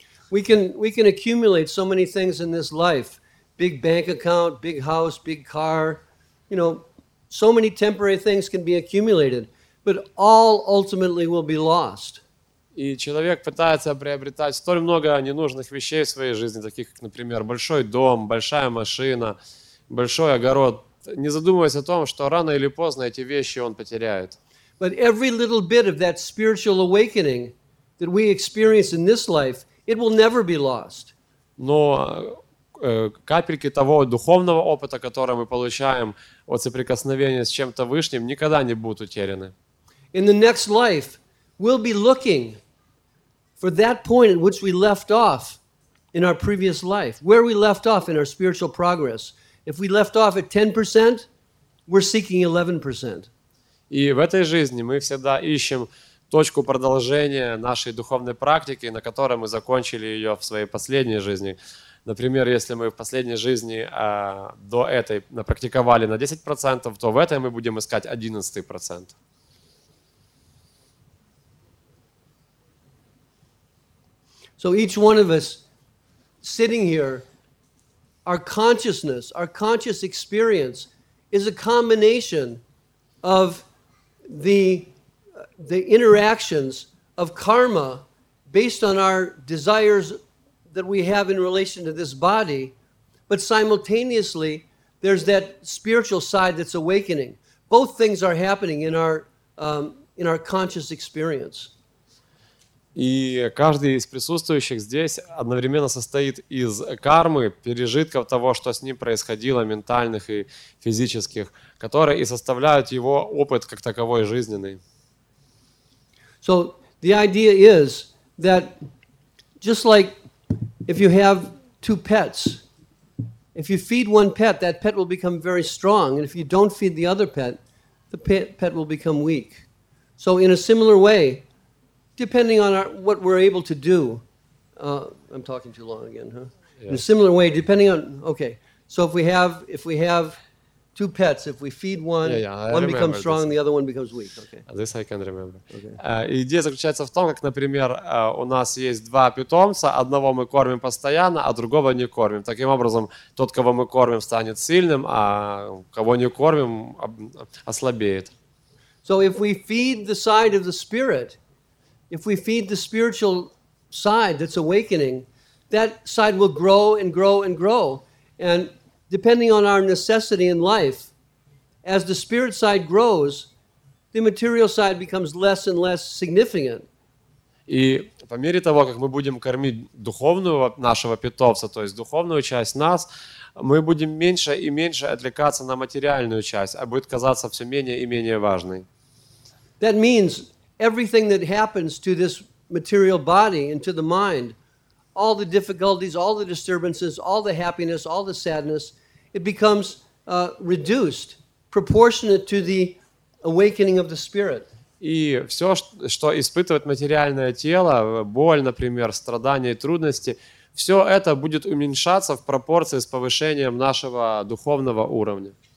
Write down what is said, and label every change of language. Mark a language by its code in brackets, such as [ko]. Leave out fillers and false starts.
[en] We can accumulate so many things in this life: big bank account, big house, big car. You know, so many temporary things can be accumulated, but all ultimately will be lost. [ru] И человек пытается приобретать столь много ненужных вещей в своей жизни, таких как, например, большой дом, большая машина, большой огород, не задумываясь о том, что рано или поздно эти вещи он потеряет. [en] But every little bit of that spiritual awakening that we experience in this life, it will never be lost. [ru] Но капельки того духовного опыта, который мы получаем от соприкосновения с чем-то высшим, никогда не будут утеряны. [en] In the next life, we'll be looking for that point at which we left off in our previous life, where we left off in our spiritual progress. If we left off at 10%, we're seeking 11%. [ru] И в этой жизни мы всегда ищем точку продолжения нашей духовной практики, на которой мы закончили ее в своей последней жизни. Например, если мы в последней жизни до этой напрактиковали на 10%, то в этой мы будем искать 11%. [en] So each one of us sitting here, our consciousness, our conscious experience is a combination of the interactions of karma based on our desires that we have in relation to this body, but simultaneously there's that spiritual side that's awakening. Both things are happening in our conscious experience. [ru] И каждый из присутствующих здесь одновременно состоит из кармы, пережитков того, что с ним происходило, ментальных и физических, которые и составляют его опыт как таковой жизненный. [en] So the idea is that just like if you have two pets, if you feed one pet, that pet will become very strong, and if you don't feed the other pet, the pet will become weak. So in a similar way, depending on what we're able to do, I'm talking too long again, huh? Yes. In a similar way, depending on, okay, so if we have two pets, if we feed one, one becomes strong, the other one becomes weak. Okay. This I can remember. Okay. [ru] Идея заключается в том, как, например, у нас есть два питомца, одного мы кормим постоянно, а другого не кормим. Таким образом, тот, кого мы кормим, станет сильным, а кого не кормим, ослабеет. [en] So if we feed the side of the spirit, if we feed the spiritual side that's awakening, that side will grow and grow and grow. And depending on our necessity in life, as the spirit side grows, the material side becomes less and less significant. [ru] И по мере того, как мы будем кормить духовную нашего питомца, то есть духовную часть нас, мы будем меньше и меньше отвлекаться на материальную часть, а будет казаться все менее и менее важной. [en] That means everything that happens to this material body and to the mind, all the difficulties, all the disturbances, all the happiness, all the sadness, it becomes reduced, proportionate to the awakening of the spirit. [ru] И все, что испытывает материальное тело, боль, например, страдания и трудности, все это будет уменьшаться в пропорции с повышением нашего духовного уровня.